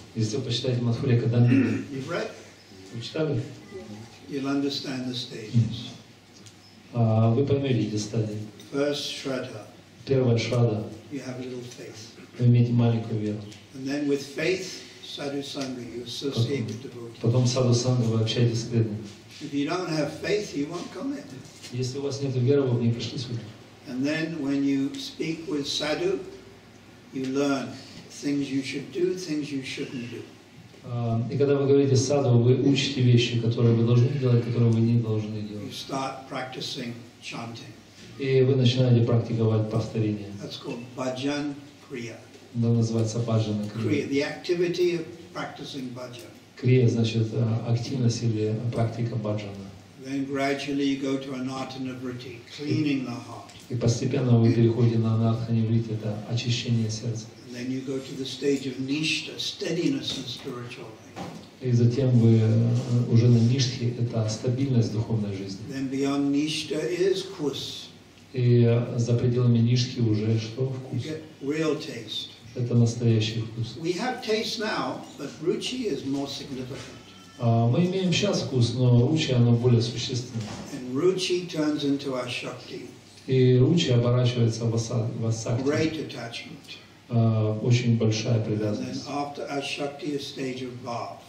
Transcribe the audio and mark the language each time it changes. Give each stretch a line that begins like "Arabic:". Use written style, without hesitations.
Russian: если почитать Мадхурья Кадамбини,
English: you've read?
Russian: Вы читали?
English: You'll understand the stages.
Russian: Вы поймете эти стадии.
English: First shraddha.
Russian: Первая шрадда.
English: You have a little faith.
Russian: Вы имеете маленькую веру.
English: And then with faith, sadhu sangha, you associate with devotees.
Russian: Потом саду санга вы общаетесь с преданными.
English: If you don't have faith, you won't come in.
Russian: Если у вас нет веры, вы не пришли сюда.
English: And then when you speak with sadhu, you learn things you should do, things you shouldn't do.
Russian: И когда вы говорите саду, вы учите вещи, которые вы должны делать, которые вы не должны делать.
English: You start practicing chanting.
Russian: И вы начинаете практиковать повторение.
English: That's called bhajan kriya.
Russian: Она называется баджана крия.
English: The activity of practicing bhajan.
Russian: Крия значит активность или практика баджана.
English: Then gradually you go to anartha vritti, cleaning the heart.
Russian: И постепенно вы переходите на анартха вритти, это очищение сердца.
English: And then you go to the stage of nishtha, steadiness in spiritual life.
Russian: И затем вы уже на ништхе, это стабильность духовной жизни.
English: Then beyond nishtha is kus.
Russian: И за пределами нишки уже что? Вкус.
English: Real taste.
Russian: Это настоящий вкус.
English: We have taste now, but ruchi is more significant.
Russian: Мы имеем сейчас вкус, но ruchi оно более существенно.
English: And ruchi turns into our shakti.
Russian: И ruchi оборачивается в асакти.
English: Great attachment.
Russian: Очень большая привязанность.
English: And then after our shakti is stage of bhav.